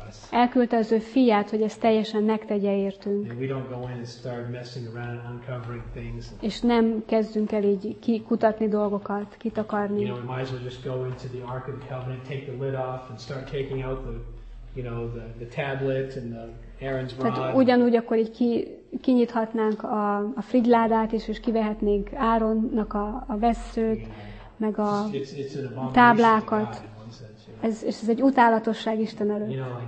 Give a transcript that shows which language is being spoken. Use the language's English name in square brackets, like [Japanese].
[Hungarian] Elküldte az ő fiát, hogy ezt teljesen megtegye értünk. [English] And we don't go in and start messing around and uncovering things. [Hungarian] És nem kezdünk el így kutatni dolgokat, kitakarni. [English] You know, we might as well just go into the Ark of the Covenant, take the lid off and start taking out the, you know, the tablet and the Aaron's rod. [Hungarian] Tehát ugyanúgy akkor így kinyithatnánk a frigyládát is, és kivehetnénk Áronnak a vesszőt, meg a táblákat. Ez egy utálatosság Isten előtt.